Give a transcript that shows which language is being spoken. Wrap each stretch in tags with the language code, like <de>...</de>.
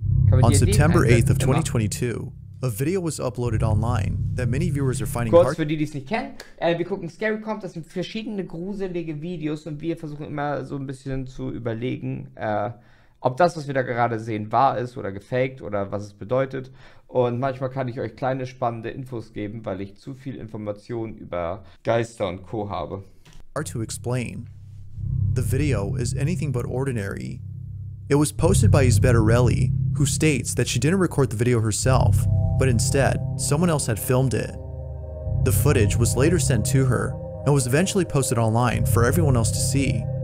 <en>On September 8th of 2022, a video was uploaded online that many viewers are finding hard.</en> <de>Kurz für die, die es nicht kennen, wir gucken Scary Comp, das sind verschiedene gruselige Videos und wir versuchen immer so ein bisschen zu überlegen, ob das, was wir da gerade sehen, wahr ist oder gefaked oder was es bedeutet. Und manchmal kann ich euch kleine spannende Infos geben, weil ich zu viel Informationen über Geister und Co. habe.</de> <en>Hard to explain. The video is anything but ordinary. It was posted by Isbetarelli, who states that she didn't record the video herself, but instead, someone else had filmed it. The footage was later sent to her, and was eventually posted online for everyone else to see.</en>